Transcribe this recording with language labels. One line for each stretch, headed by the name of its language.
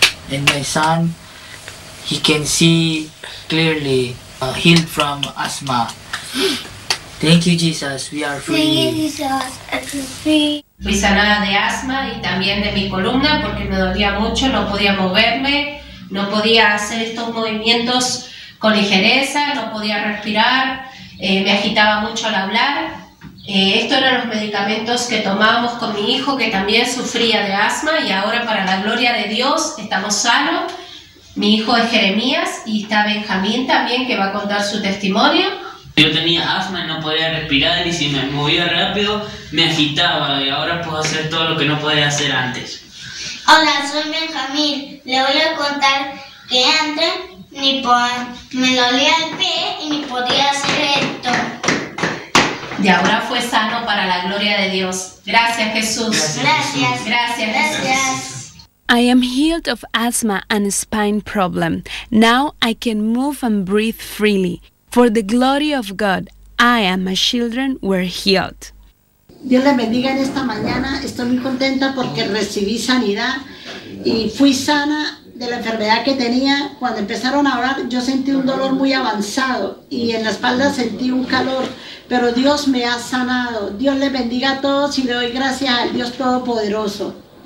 English: And my son, he can see clearly, healed from asthma. Thank you, Jesus. We are free. Thank you, Jesus.
Spanish: Fui sanada de asma y también de mi columna porque me dolía mucho, no podía moverme, no podía hacer estos movimientos con ligereza, no podía respirar, me agitaba mucho al hablar. Estos eran los medicamentos que tomábamos con mi hijo que también sufría de asma y ahora, para la gloria de Dios, estamos sanos. Mi hijo es Jeremías y está Benjamín también, que va a contar su testimonio. Yo tenía asma y no podía respirar, y si me movía rápido me agitaba, y ahora puedo hacer todo lo que no podía hacer antes. Hola, soy Benjamín. Le voy a contar que antes me dolía el pie y ni podía hacer esto. Y ahora fue sano para la gloria de Dios. Gracias, Jesús. Gracias. Gracias. Gracias. Gracias.
English: I am healed of asthma and spine problem. Now I can move and breathe freely. For the glory of God, I and my children were healed.
Spanish: Dios le bendiga en esta mañana. Estoy muy contenta porque recibí sanidad y fui sana de la enfermedad que tenía. Cuando empezaron a orar, yo sentí un dolor muy avanzado y en la espalda sentí un calor, pero Dios me ha sanado. Dios le bendiga a todos y le doy gracias al Dios Todopoderoso.